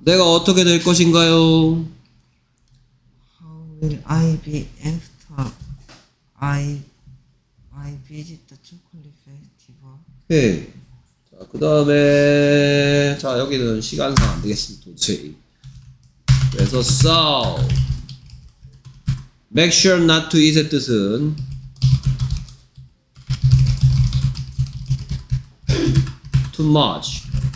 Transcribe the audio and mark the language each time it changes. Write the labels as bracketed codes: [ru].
[ko] 내가 어떻게 될 것인가요? [en] How will I be after I visit the chocolate festival? [ko] 오케이. 자, 그 다음에 자 여기는 시간상 안 되겠습니다 도저히. 그래서 [en] so make sure not to [ko] 이세 뜻은 [en] too much.